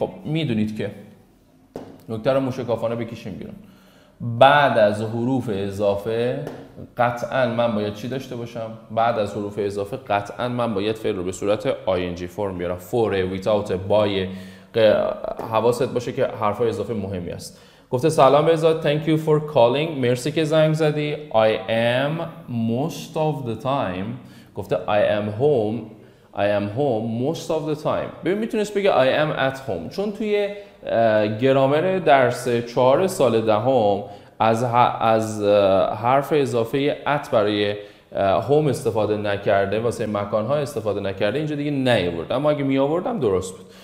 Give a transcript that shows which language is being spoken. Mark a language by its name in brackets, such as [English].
[Persian] خب میدونید که نکته رو موشکافانه بکشیم بیرون، بعد از حروف اضافه قطعا من باید چی داشته باشم؟ بعد از حروف اضافه قطعا من باید فعل رو به صورت ing form بیارم، for، without، by. حواست باشه که حرفای اضافه مهمی است. گفته سلام بهزاد، [English] thank you for calling، [Persian] مرسی که زنگ زدی. [English] I am most of the time، [Persian] گفته [English] I am home most of the time. [Persian] ببین میتونست بگه [English] I am at home، [Persian] چون توی گرامر درس 4 سال دهم از حرف اضافه at برای home استفاده نکرده، واسه مکان ها استفاده نکرده، اینجا دیگه نیاورد، اما اگه می آوردم درست بود.